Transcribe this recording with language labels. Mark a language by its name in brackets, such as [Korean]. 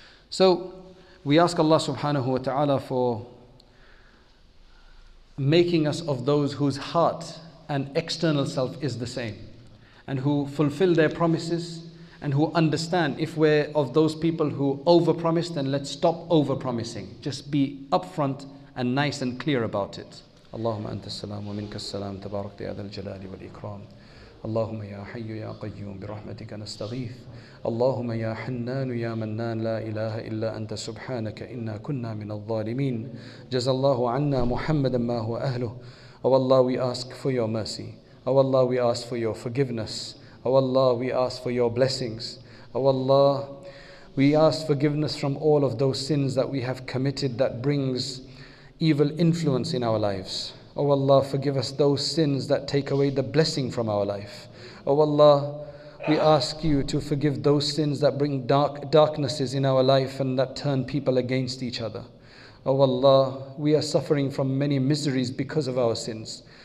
[English] So we ask Allah subhanahu wa ta'ala for making us of those whose heart and external self is the same, and who fulfill their promises, and who understand. If we're of those people who overpromise, then let's stop overpromising. Just be upfront and nice and clear about it. [Arabic] اللهم أنت السلام ومنك السلام تبارك يا ذا الجلال والإكرام اللهم يا حي يا قيوم برحمتك نستغيث اللهم يا حنان يا منان لا إله إلا أنت سبحانك إنا كنا من الظالمين جزى الله عنا محمدا ما هو أهله [English] أو الله we ask for your mercy أو الله we ask for your forgiveness أو الله we ask for your blessings أو الله we ask forgiveness from all of those sins that we have committed that brings evil influence in our lives. Oh Allah, forgive us those sins that take away the blessing from our life. Oh Allah, we ask you to forgive those sins that bring darknesses in our life and that turn people against each other. Oh Allah, we are suffering from many miseries because of our sins.